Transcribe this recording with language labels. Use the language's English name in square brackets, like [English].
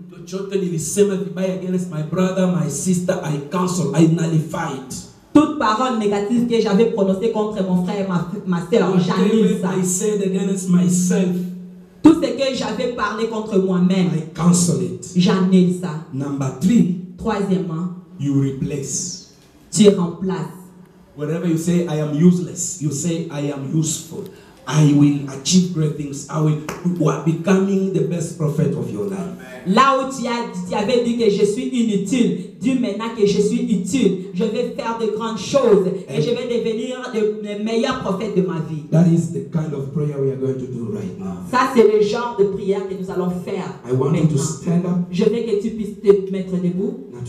[English] The church is the same against my brother, my sister. I cancel. I nullify it. [French] Toute parole négative que j'avais prononcée contre mon frère et ma sœur, j'annule ça. Tout ce que j'avais parlé contre moi-même, j'annule ça. [English] Number three, [French] troisièmement, [English] you replace. [French] Tu remplaces. [English] Whatever you say, I am useless. You say, I am useful. I will achieve great things. I will be becoming the best prophet of your life. [French] Là où tu avais dit que je suis inutile, dis maintenant que je suis utile. Je vais faire de grandes choses et je vais devenir le meilleur prophète de ma vie. [English] That is the kind of prayer we are going to do right now. [French] Ça c'est le genre de prière que nous allons faire. [English] I want [French] maintenant. [English] You to stand up. [French] Je veux que tu puisses te mettre debout.